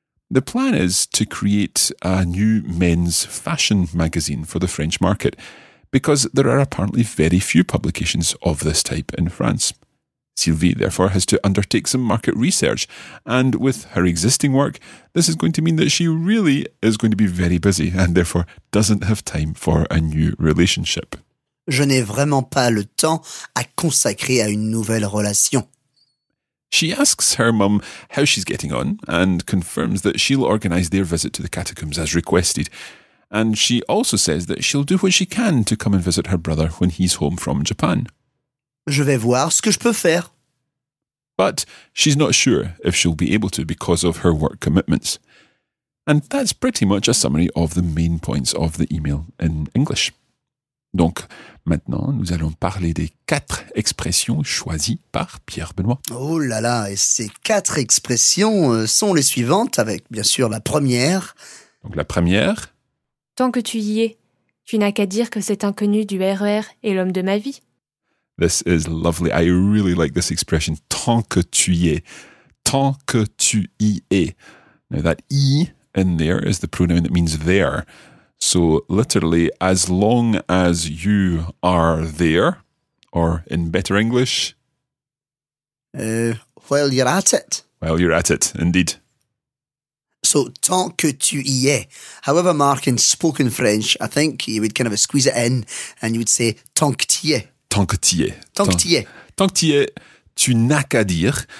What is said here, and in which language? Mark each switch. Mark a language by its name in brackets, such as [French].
[English] The plan is to create a new men's fashion magazine for the French market, because there are apparently very few publications of this type in France. Sylvie, therefore, has to undertake some market research, and with her existing work, this is going to mean that she really is going to be very busy and therefore doesn't have time for a new relationship. [French] Je n'ai vraiment pas le temps à consacrer à une nouvelle relation. [English] She asks her mum how she's getting on and confirms that she'll organise their visit to the catacombs as requested. And she also says that she'll do what she can to come and visit her brother when he's home from Japan. [French] Je vais voir ce que je peux faire. [English] But she's not sure if she'll be able to because of her work commitments. And that's pretty much a summary of the main points of the email in English. [French] Donc, maintenant, nous allons parler des quatre expressions choisies par Pierre Benoît. Oh là là, et ces quatre expressions sont les suivantes, avec bien sûr la première. Donc la première. Tant que tu y es, tu n'as qu'à dire que cet inconnu du RER est l'homme de ma vie. [English] This is lovely. I really like this expression. [French] Tant que tu y es. Tant que tu y es. [English] Now that y in there is the pronoun that means there. So literally, as long as you are there, or in better English. While you're at it. While you're at it, indeed. [French] So tant que tu y es. [English] However, Mark, in spoken French, I think you would kind of squeeze it in and you would say [French] tant que tu y es. Tant que tu y es. Tant que tu y es. Tant que tu y es, tu n'as qu'à dire.